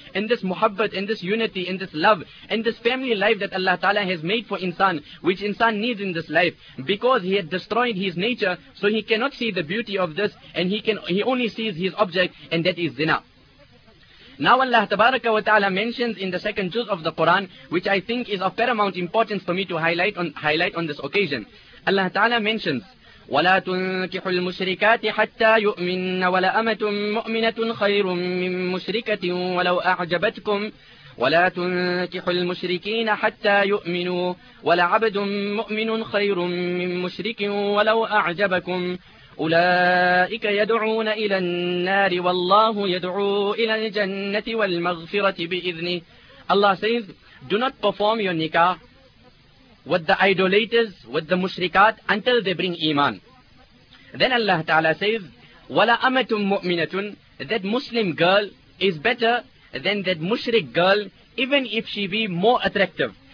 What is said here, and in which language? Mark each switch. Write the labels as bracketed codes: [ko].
[en] and this muhabbat, and this unity, and this love, and this family life that Allah Ta'ala has made for insan, which insan needs in this life, because he had destroyed his nature, so he cannot see the beauty of this, and he only sees his object, and that is zina. Now Allah Tabaraka wa Ta'ala mentions in the second juz of the Quran, which I think is of paramount importance for me to highlight on this occasion. Allah Ta'ala mentions, [ar] وَلَا تُنْكِحُ الْمُشْرِكَاتِ حَتَّى يُؤْمِنَّ وَلَأَمَةٌ مُؤْمِنَةٌ خَيْرٌ مِّن مُشْرِكَةٍ وَلَوْ أَعْجَبَتْكُمْ وَلَا تُنْكِحُ الْمُشْرِكِينَ حَتَّى يُؤْمِنُوا وَلَعَبْدٌ مُؤْمِنٌ خَيْرٌ مِّن مُشْرِكٍ وَلَوْ أَعْجَبَكُمْ أولئك يدعون إلى النار والله يدعو إلى الجنة والمغفرة بإذنه. [en] Allah says, do not perform your nikah with the idolaters, with the mushrikat, until they bring iman. Then Allah Ta'ala says, [ar] وَلَا أَمَةٌ مُؤْمِنَةٌ, [en] that Muslim girl is better than that mushrik girl, even if she be more attractive.